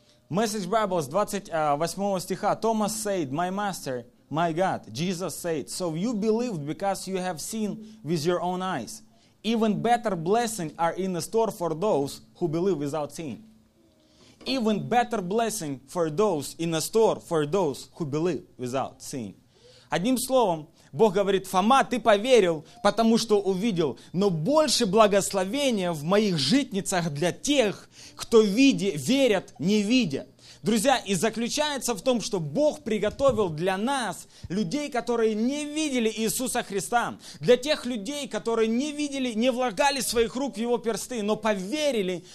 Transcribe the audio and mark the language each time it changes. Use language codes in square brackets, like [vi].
[ru] Message Bible с 28 стиха. [en] Thomas said, my master, my God. Jesus said, so you believed because you have seen with your own eyes. Even better blessings are in the store for those who believe without seeing. Even better blessing for those in the store for those who believe without seeing. [ru] Одним словом, Бог говорит: Фома, ты поверил, потому что увидел, но больше благословения в моих житницах для тех, кто верят, не видя. Друзья, и заключается в том, что Бог приготовил для нас людей, которые не видели Иисуса Христа, для тех людей, которые не видели, не влагали своих рук в Его персты, но поверили.